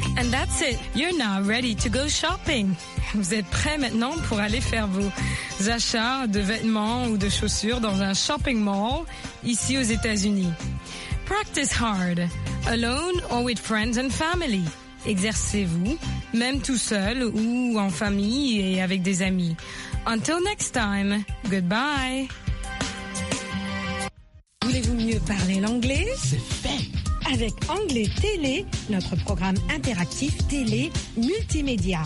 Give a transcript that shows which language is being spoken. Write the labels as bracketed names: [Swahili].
[English] That's it. You're now ready to go shopping. [French] Vous êtes prêt maintenant pour aller faire vos achats de vêtements ou de chaussures dans un shopping mall ici aux États-Unis. [English] Practice hard, alone or with friends and family. [French] Exercez-vous, même tout seul ou en famille et avec des amis. [English] Until next time, goodbye. [French] Voulez-vous mieux parler l'anglais? C'est fait! Avec Anglais Télé, notre programme interactif télé multimédia.